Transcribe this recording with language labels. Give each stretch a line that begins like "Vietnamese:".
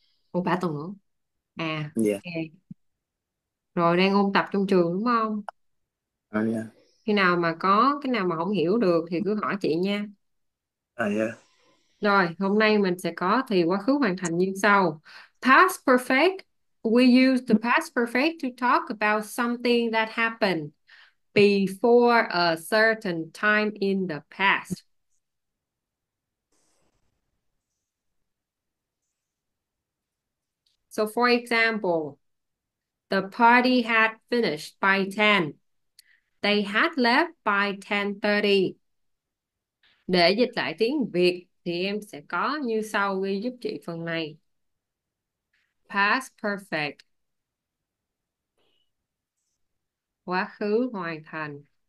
Vietnamese: Ồ, 3 tuần nữa. À, ok. Rồi đang ôn tập trong trường đúng không? Khi nào mà có cái nào mà không hiểu được thì cứ hỏi chị nha. Rồi, hôm nay mình sẽ có thì quá khứ hoàn thành như sau.
English: Past perfect. We use the past perfect to talk about something that happened before a certain time in the past. So for example, the party had finished by 10. They had left by 10:30.
Vietnamese: Để dịch lại tiếng Việt thì em sẽ có như sau ghi giúp chị phần này.
English: Past perfect.
Vietnamese: Quá khứ hoàn thành.